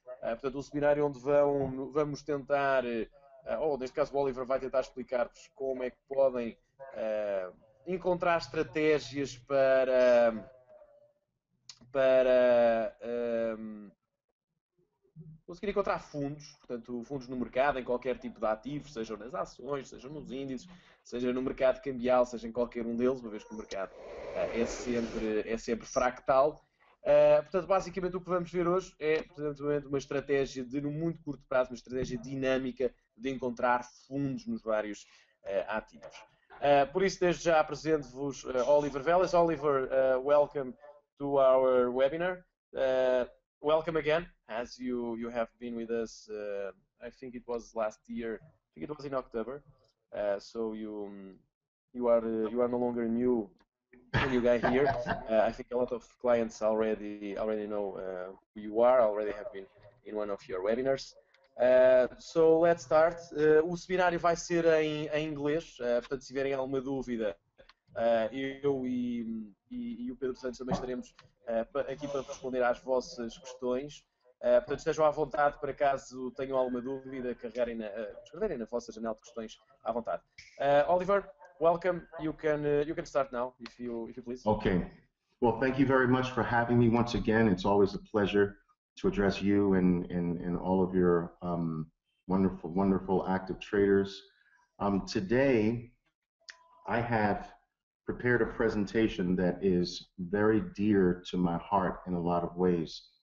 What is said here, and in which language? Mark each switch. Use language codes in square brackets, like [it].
[pt] Portanto, um seminário onde vamos tentar, ou neste caso o Oliver vai tentar explicar-vos como é que podem encontrar estratégias para conseguir encontrar fundos, portanto, fundos no mercado, em qualquer tipo de ativo, seja nas ações, seja nos índices, seja no mercado cambial, seja em qualquer um deles, uma vez que o mercado é sempre fractal. Portanto, basicamente o que vamos ver hoje é, portanto, uma estratégia de, no muito curto prazo, uma estratégia dinâmica de encontrar fundos nos vários ativos. Por isso, desde já apresento-vos Oliver Vélez. [en] Oliver, welcome to our webinar. Welcome again, as you have been with us. I think it was last year. I think it was in October. So you are no longer a new guy here. I think a lot of clients already know who you are. Already have been in one of your webinars. So let's start. [pt] O seminário vai ser em inglês. Portanto, se tiverem alguma dúvida, eu e o Pedro Santos também estaremos aqui para responder às vossas questões. Portanto, estejam à vontade, para caso tenham alguma dúvida, escreverem na vossa janela de questões à vontade. [en] Oliver, welcome. You can start now, if you please. Okay. Well, thank you very much for having me once again. It's always a pleasure to address you and all of your wonderful, wonderful active traders. Today, I have prepared a presentation that is very dear to my heart in a lot of ways.